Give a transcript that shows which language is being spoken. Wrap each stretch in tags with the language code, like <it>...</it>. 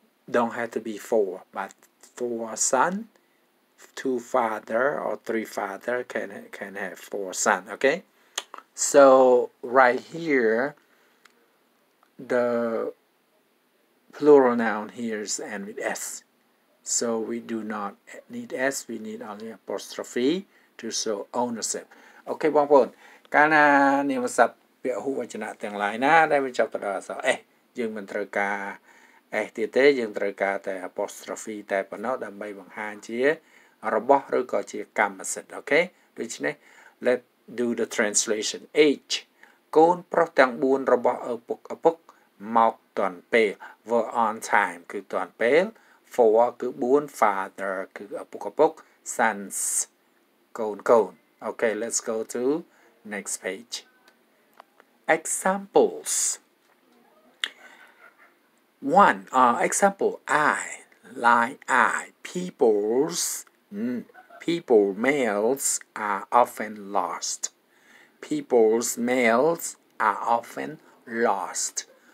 <en>Don't have to be four, but four son, two father or three father can have four son. Okay. So right here, the plural noun here is end with S. So we do not need S. We need only apostrophe to show ownership. Okay, one word.</en> <km>កាលណានាមសព្ទពហុវចនទាំងឡាយណាដែលបញ្ចប់ទៅដោយអក្សរអេសយើងមិនត្រូវការអេសទៀតទេយើងត្រូវការតែអប៉ូស្ត្រូហ្វីតែប៉ុណ្ណោះដើម្បីបង្ហាញជា របស់ឬក៏ជាកម្មសិទ្ធិអូខេដូច្នេះ</km> <en>let do the translation H</en> <km>កូនប្រុសទាំង4របស់ឪពុកមកទាន់ពេល</km> <en>were on time</en> <km>គឺទាន់ពេល for គឺ4 father គឺឪពុក sons កូនអូខេ</km> <en>let's go toNext page. Examples. One, example, I, like I, people's, People males are often lost. People's males are often lost.</en>